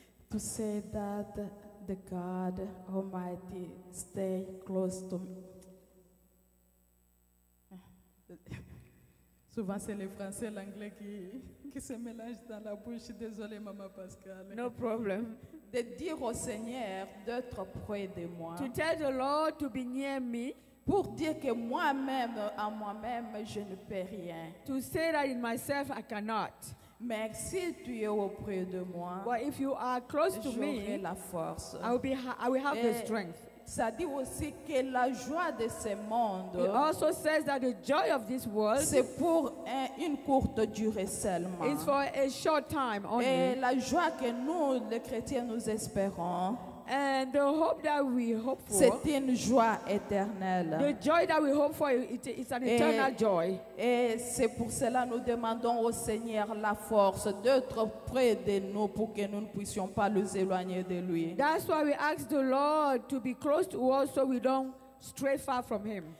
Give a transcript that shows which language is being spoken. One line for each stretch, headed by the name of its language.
English: To say that the God Almighty stay close to me.
French: Souvent c'est le français et l'anglais qui se mélangent dans la bouche. Désolée, Maman Pascal.
English: No problem.
French: De dire au Seigneur d'être près de moi.
English: To tell the Lord to be near me.
French: Pour dire que moi-même, en moi-même, je ne peux rien.
English: To say that in myself, I cannot.
French: Mais si tu es auprès de moi,
English: well, if you are close to me,
French: j'aurai la force.
English: I will have the strength.
French: Ça dit aussi que la joie de ce monde,
English: it also says that the joy of this world,
French: c'est pour une courte durée seulement.
English: It's for a short time only.
French: Et la joie que nous, les chrétiens, nous espérons,
English: and the hope that we hope for,
French: c'est une joie éternelle.
English: The joy that we hope for, it's an eternal joy.
French: Et c'est pour cela nous demandons au Seigneur la force d'être près de nous pour que nous ne puissions pas nous éloigner de lui.
English: That's why we ask the Lord to be close to us so we don't stray far from him.